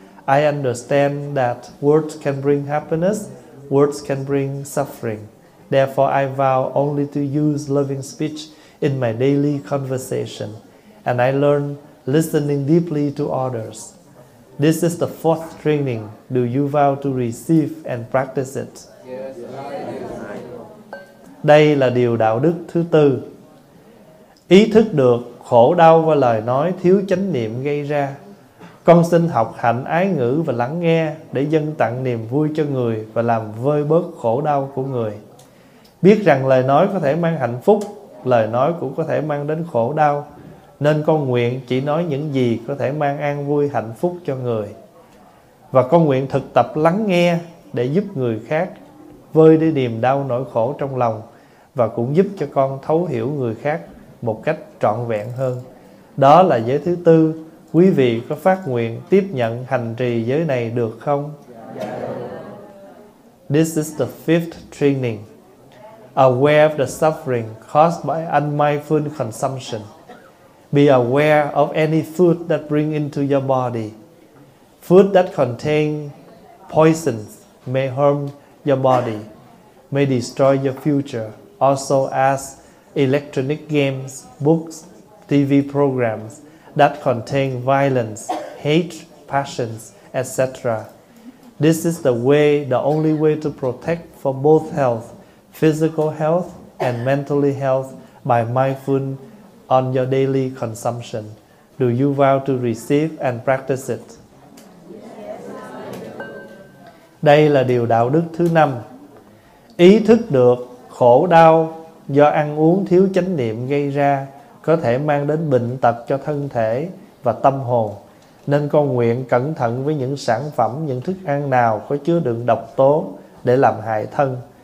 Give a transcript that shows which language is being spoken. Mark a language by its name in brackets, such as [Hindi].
[English] I understand that words can bring happiness, words can bring suffering. Therefore, I vow only to use loving speech in my daily conversation, and I learn listening deeply to others. This is the fourth training. Do you vow to receive and practice it? Yes, I do. [Vietnamese] Đây là điều đạo đức thứ tư. Ý thức được khổ đau và lời nói thiếu chánh niệm gây ra. Con xin học hạnh ái ngữ và lắng nghe để dâng tặng niềm vui cho người và làm vơi bớt khổ đau của người. Biết rằng lời nói có thể mang hạnh phúc, lời nói cũng có thể mang đến khổ đau, nên con nguyện chỉ nói những gì có thể mang an vui hạnh phúc cho người. Và con nguyện thực tập lắng nghe để giúp người khác vơi đi niềm đau nỗi khổ trong lòng, và cũng giúp cho con thấu hiểu người khác một cách trọn vẹn hơn. Đó là giới thứ tư. Quý vị có phát nguyện tiếp nhận hành trì giới này được không? [English] Yeah. This is the fifth training. Aware of the suffering caused by unmindful consumption. Be aware of any food that bring into your body. Food that contain poisons may harm your body, may destroy your future. Also as electronic games, books, TV programs that contain violence, hate, passions, etc. This is the way, the only way to protect for both health, physical health and mentally health by mindfulness on your daily consumption. Do you vow to receive and practice it? Yes. [Vietnamese] Đây là điều đạo đức thứ năm. Ý thức được khổ đau do ăn uống thiếu chánh niệm gây ra có thể mang đến bệnh tật cho thân thể và tâm hồn, nên con nguyện cẩn thận với những sản phẩm, những thức ăn nào có chứa đựng độc tố để làm hại thân.